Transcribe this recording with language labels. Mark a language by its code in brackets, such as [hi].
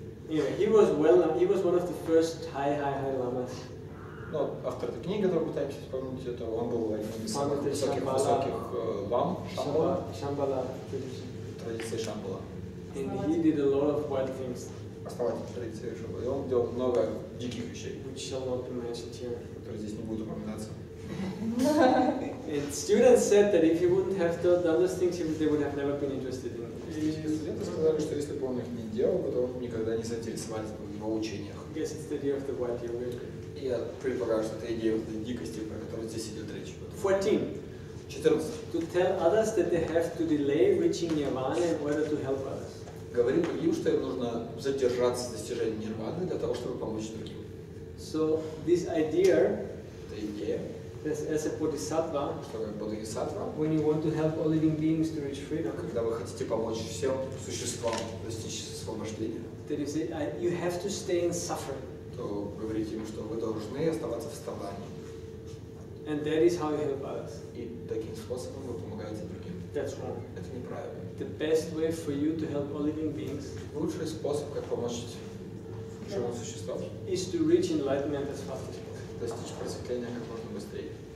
[en] Anyway, he was one of the first high lamas. [ru] Ну, автор этой книги, которую пытаемся вспомнить, это он был один из самых высоких лам Шамбала. Традиция Шамбала. [en] And he did a lot of wild things. [ru] Основатель традиции Шамбала. И он делал много диких вещей. [en] Which shall not be mentioned here. [ru] Которые здесь не будут упоминаться. [en] And students said that if he wouldn't have done those things, they would have never been interested in. [ru] Студенты сказали, что если бы он их не делал, то он никогда не заинтересовался бы в его учениях. [en] Guess it's the idea of the wild yoga. [ru] Я предполагаю, что это идея этой дикости, про которую здесь идет речь. [en] 14. To tell others that they have to delay reaching nirvana in order to help others. [ru] Говорим другим, что им нужно задержаться в достижении нирваны для того, чтобы помочь другим. [en] So this idea. [ru] Эта идея. [en] As a bodhisattva, [ru] что как бодхисаттва, [en] when you want to help all living beings to reach freedom, [ru] когда вы хотите помочь всем существам достичь освобождения, [en] that is it, you have to stay in suffering. [ru] То говорите им, что вы должны оставаться в страдании. [en] And that is how you help others. [ru] И таким способом вы помогаете другим. [en] That's wrong. [ru] Это неправильно. [en] The best way for you to help all living beings. [ru] Лучший способ, как помочь живым существам, [en] is to reach enlightenment as fast as possible. [ru] Достичь просветления как можно быстрее.